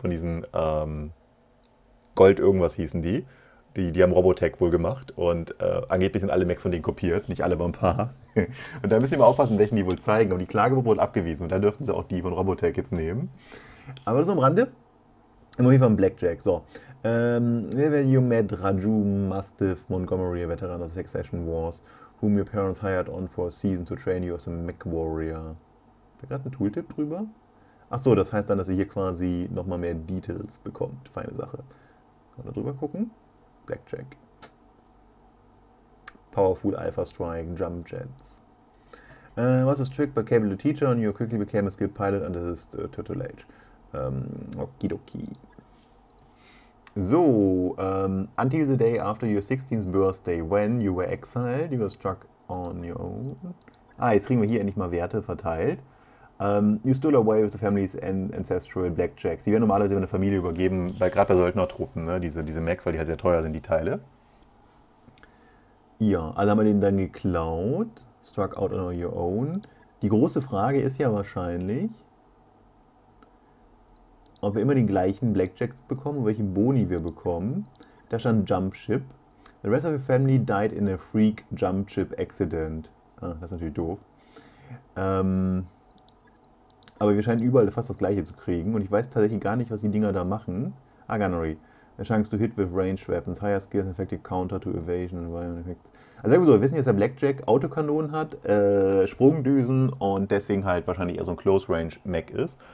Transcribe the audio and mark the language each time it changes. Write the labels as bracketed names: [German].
[German] Von diesen, Gold irgendwas hießen die. Die haben Robotech wohl gemacht und angeblich sind alle Mechs von denen kopiert, nicht alle, aber ein paar. Und da müssen wir mal aufpassen, welchen die wohl zeigen. Und die Klage wurde abgewiesen und da dürften sie auch die von Robotech jetzt nehmen. Aber so am Rande, immer wie von Blackjack. [English] So, you met Raju Mastiff Montgomery, a veteran of the Succession Wars, whom your parents hired on for a season to train you as a Mech Warrior. [German] Da gerade ein Tooltip drüber. Achso, das heißt dann, dass ihr hier quasi nochmal mehr Details bekommt. Feine Sache. Mal drüber gucken. Blackjack. [English] Powerful Alpha Strike, Jump Jets. Was ist Trick by Cable the Teacher and you quickly became a skilled pilot and this is Turtle Age. Okidoki. So, until the day after your 16th birthday, when you were exiled, you were struck on your own. [German] Ah, jetzt kriegen wir hier endlich mal Werte verteilt. [English] You stole away with the family's ancestral blackjacks. [German] Die werden normalerweise in eine Familie übergeben, weil gerade bei Söldnertruppen, ne? Diese Max, weil die halt sehr teuer sind, die Teile. Ja, also haben wir den dann geklaut. [English] Struck out on your own. [German] Die große Frage ist ja wahrscheinlich, ob wir immer den gleichen Blackjacks bekommen und welche Boni wir bekommen. Da stand Jump Ship. [English] The rest of your family died in a freak Jump Ship accident. [German] Ah, das ist natürlich doof. Aber wir scheinen überall fast das gleiche zu kriegen. Und ich weiß tatsächlich gar nicht, was die Dinger da machen. Ah, Gunnery. [English] A chance to hit with ranged weapons. Higher skills, effective counter to evasion. [German] Also sagen wir so, wir wissen jetzt, dass der Blackjack Autokanonen hat, Sprungdüsen und deswegen halt wahrscheinlich eher so ein Close-Range-Mech ist.